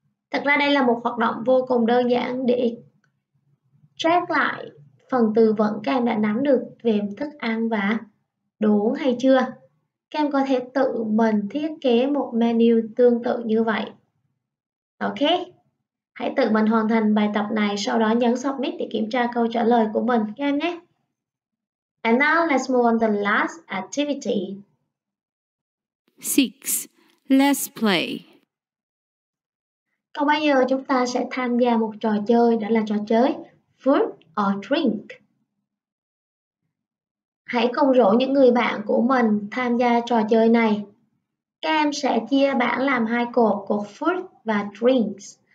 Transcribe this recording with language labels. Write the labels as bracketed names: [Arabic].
[Vietnamese] Thật ra đây là một hoạt động vô cùng đơn giản để check lại phần từ vựng các em đã nắm được về thức ăn và đồ uống hay chưa. Các em có thể tự mình thiết kế một menu tương tự như vậy. Ok? Hãy tự mình hoàn thành bài tập này, sau đó nhấn submit để kiểm tra câu trả lời của mình, các em nhé. [English] And now let's move on to the last activity. 6. Let's play. [Vietnamese] Còn bây giờ chúng ta sẽ tham gia một trò chơi, đó là trò chơi Food or Drink. Hãy cùng rủ những người bạn của mình tham gia trò chơi này. Các em sẽ chia bảng làm hai cột, cột food và drinks.